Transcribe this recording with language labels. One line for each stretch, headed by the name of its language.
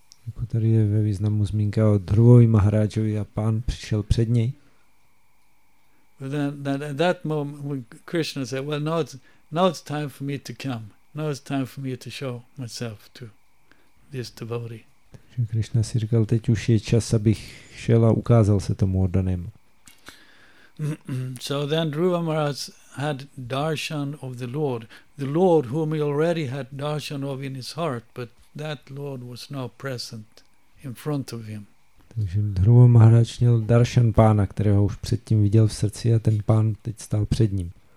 Czech: Jako tady je ve významu zmínka o Dhruvovi Maharajovi a pán přišel před něj.
English: But then at that moment when Krishna said, well, now it's time for me to come. Now it's time for me to show myself to this devotee.
Czech: Takže Krishna si říkal, teď už je čas, abych šel a ukázal se tomu oddanému.
English: So then Dhruva Maharaj had darshan of the Lord whom he already had darshan of in his heart, but that Lord was now present in front of him.
Czech: Takže Dhruva Maharaj měl darshan pána, kterého už předtím viděl v srdci, a ten pán teď stál před ním.